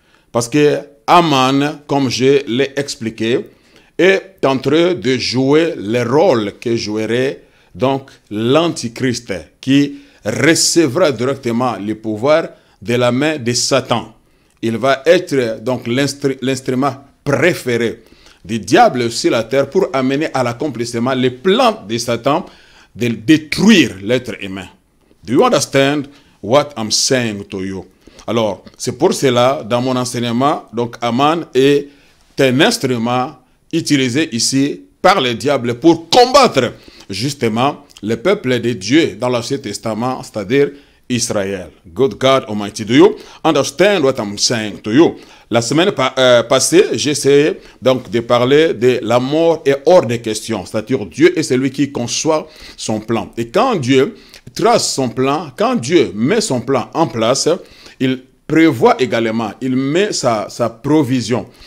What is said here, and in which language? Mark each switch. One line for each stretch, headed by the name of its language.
French: Parce que Aman, comme je l'ai expliqué, est en train de jouer le rôle que jouerait donc l'Antichrist qui recevra directement le pouvoir de la main de Satan. Il va être donc l'instrument préféré du diable sur la terre pour amener à l'accomplissement les plans de Satan de détruire l'être humain.
English: Do you understand what I'm saying to you?
French: Alors, c'est pour cela, dans mon enseignement, donc Aman est un instrument utilisé ici par le diable pour combattre justement le peuple de Dieu dans l'Ancien Testament, c'est-à-dire Israël.
English: Good God Almighty, do you understand what I'm saying to you?
French: La semaine passée, j'essayais donc de parler de la mort est hors de question, c'est-à-dire Dieu est celui qui conçoit son plan. Et quand Dieu trace son plan, quand Dieu met son plan en place, il prévoit également, il met sa provision.